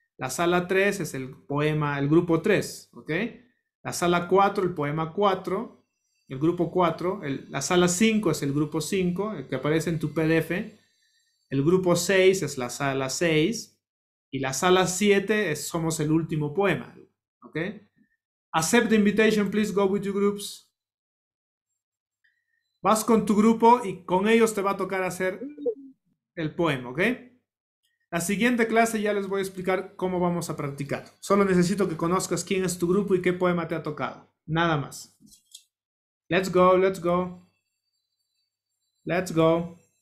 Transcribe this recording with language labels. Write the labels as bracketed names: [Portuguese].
[Spanish] La sala 3 es el poema, el grupo 3. Ok. La sala 4, el poema 4, el grupo 4, la sala 5 es el grupo 5, el que aparece en tu PDF, el grupo 6 es la sala 6, y la sala 7 somos el último poema, ¿ok? [English] Accept the invitation, please go with your groups. [Spanish] Vas con tu grupo y con ellos te va a tocar hacer el poema, ¿ok? La siguiente clase ya les voy a explicar cómo vamos a practicar. Solo necesito que conozcas quién es tu grupo y qué poema te ha tocado. Nada más. [English] Let's go, let's go. Let's go.